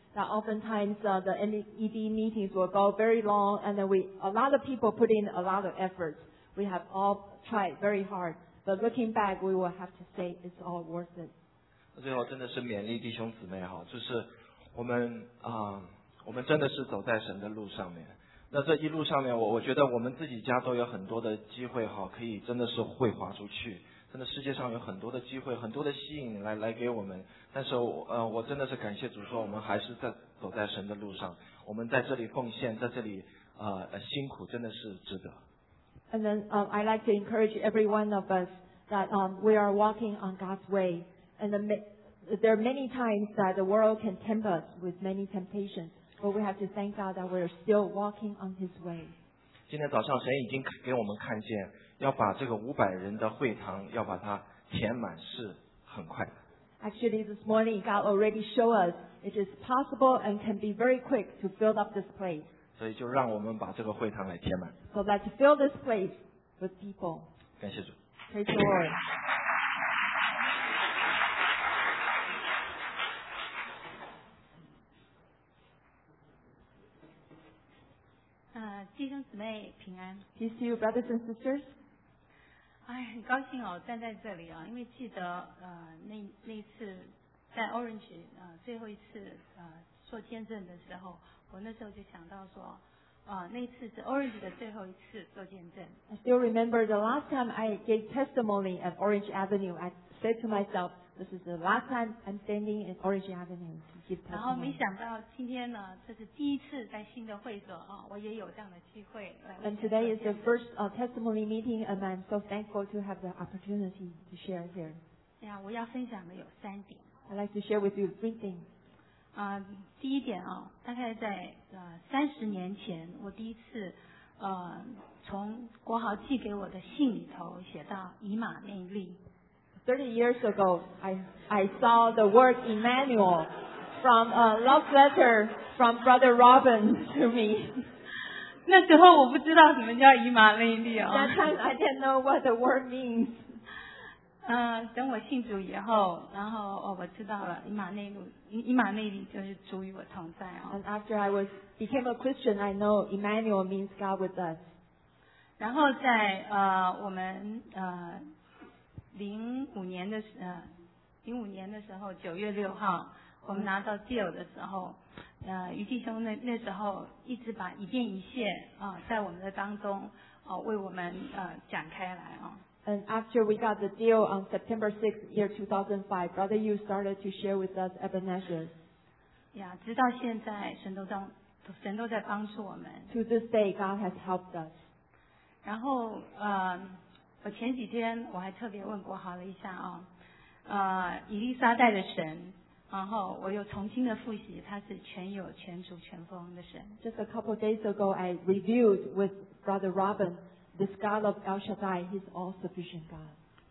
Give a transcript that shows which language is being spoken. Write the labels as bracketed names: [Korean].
[English] That oftentimes the MED meetings will go very long, and then a lot of people put in a lot of efforts. We have all tried very hard, but looking back, we will have to say it's all worth it. [Chinese] 最后真的是勉励弟兄姊妹哈，就是我们啊，我们真的是走在神的路上面。那这一路上面，我觉得我们自己家都有很多的机会哈，可以真的是汇划出去。真的世界上有很多的机会，很多的吸引来给我们，但是我真的是感谢主说我们还是在走在神的路上，我们在这里奉献，在这里辛苦真的是值得。 [English] And then I like to encourage every one of us that we are walking on God's way, and there are many times that the world can tempt us with many temptations, but we have to thank God that we are still walking on His way. [Chinese] 今天早上神已经给我们看见要把这个五百人的会堂要把它填满是很快的。 [English] Actually, this morning God already showed us it is possible and can be very quick to fill up this place. [Chinese] 所以就让我们把这个会堂来填满。 [English] So let's fill this place with people. [Chinese] 感谢主。 [English] Praise the Lord. [Chinese] 弟兄姊妹平安。 [English] Peace to you, brothers and sisters. [Chinese] 哎，很高兴哦，站在这里啊，因为记得那次在 Orange 最后一次做见证的时候，我那时候就想到说，那次是 Orange 的最后一次做见证。 [English] I still remember the last time I gave testimony at Orange Avenue. I said to myself, this is the last time I'm standing in Orange Avenue to give testimony. [Chinese] 然后没想到今天呢，这是第一次在新的会所啊，我也有这样的机会。 [English] And today is the first testimony meeting, and I'm so thankful to have the opportunity to share here. [Chinese] 对啊，我要分享的有三点。 [English] I'd like to share with you three things. [Chinese] 第一点啊，大概在三十年前，我第一次从国豪寄给我的信里头写到以马内利。 [English] 30 years ago, I saw the word Emmanuel from a love letter from Brother Robin to me. [Chinese] 那时候我不知道什么叫以马内利哦。 [English] That time I didn't know what the word means. [Chinese] 等我信主以后，然后我知道了以马内利就是主与我同在哦。 [English] And after I became a Christian, I know Emmanuel means God with us. [Chinese] 然后在我们05年的时候，9月6号我们拿到 deal 的时候，余弟兄那时候一直把一变一现在我们的当中为我们讲开来啊。 [English] And after we got the deal on September 6th, year 2005, Brother Yu started to share with us Ebenezer. [Chinese] 呀，直到现在神都在帮助我们。 [English] To this day, God has helped us. [Chinese] 然后我前几天我还特别问国豪了一下啊，以利沙代的神，然后我又重新的复习，他是全有、全主、全丰的神。 [English] Just a couple days ago, I reviewed with Brother Robin this God of El Shaddai. He's all sufficient God.